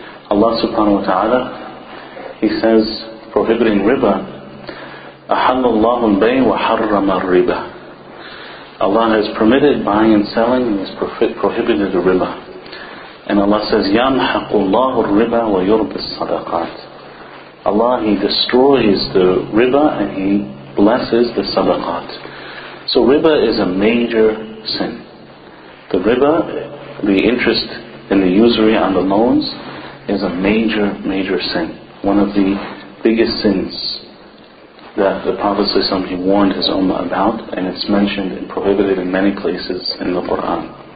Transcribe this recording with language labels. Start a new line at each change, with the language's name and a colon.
English: Allah subhanahu wa ta'ala, He says, prohibiting riba,
Arabic: أَحَلَّ اللَّهُ الْبَيْءُ وَحَرَّمَ الرِّبَى.
English: Allah has permitted buying and selling and has prohibited the riba. And Allah says,
Arabic: يَمْحَقُ اللَّهُ الرِّبَى وَيُرْبِ الصَّدَقَاتِ.
English: Allah, He destroys the riba and He blesses the sadaqat. So riba is a major sin. The riba, the interest and the usury on the loans, is a major, major sin. One of the biggest sins that the Prophet ﷺ, he warned his ummah about, and it's mentioned and prohibited in many places in the Quran.